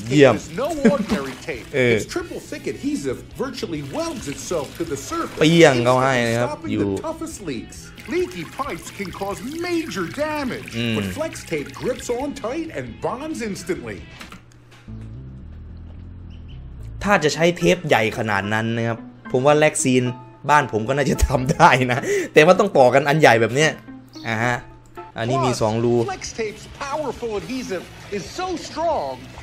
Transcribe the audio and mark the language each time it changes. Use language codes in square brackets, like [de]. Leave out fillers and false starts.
[en] Tape is no ordinary tape it's triple thick adhesive virtually welds itself to the surface [th] เปรี้ยงเข้าให้นะครับอยู่ [en] Leaky pipes can cause major damage but Flex Tape grips on tight and bonds instantly [th] ถ้าจะใช้เทปใหญ่ขนาดนั้นนะครับผมว่าแล็กซีนบ้านผมก็น่าจะทำได้นะแต่ว่าต้องต่อกันอันใหญ่แบบเนี้ยฮะอันนี้มี2รู [en] Flex Tape's powerful adhesive is so strong